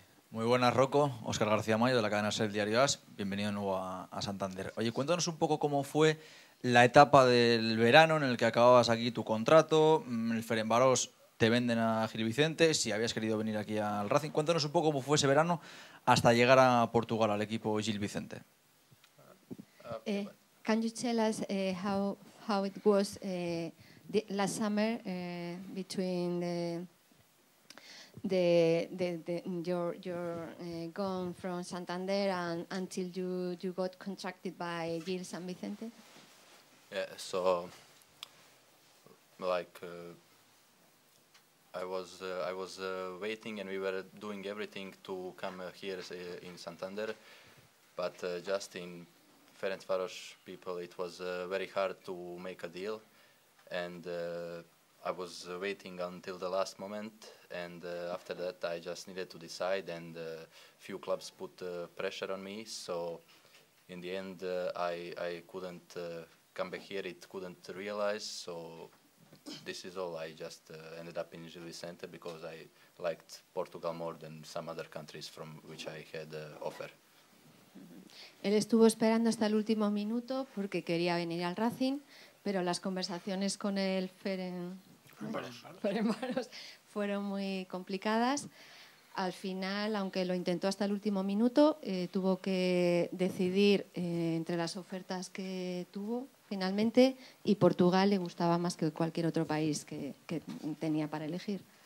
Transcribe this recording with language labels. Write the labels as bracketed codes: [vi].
[es] Muy buenas, Rocco. Óscar García Mayo, de la cadena SER, Diario AS. Bienvenido de nuevo a Santander. Oye, cuéntanos un poco cómo fue la etapa del verano en el que acababas aquí tu contrato. El Ferencváros te venden a Gil Vicente, si habías querido venir aquí al Racing. Cuéntanos un poco cómo fue ese verano hasta llegar a Portugal, al equipo Gil Vicente. [en] Can you tell us how it was last summer between the your gone from Santander and until you got contracted by Gil San Vicente? Yeah, so like I was waiting and we were doing everything to come here in Santander, but just in Ferencváros people it was very hard to make a deal, and I was waiting until the last moment, and after that I just needed to decide, and a few clubs put pressure on me, so in the end I couldn't come back here, it couldn't realize, so this is all. I just ended up in Gil Vicente because I liked Portugal more than some other countries from which I had offer. [es] Él estuvo esperando hasta el último minuto porque quería venir al Racing, pero las conversaciones con el Ferencváros fueron muy complicadas. Al final, aunque lo intentó hasta el último minuto, tuvo que decidir entre las ofertas que tuvo finalmente, y Portugal le gustaba más que cualquier otro país que tenía para elegir.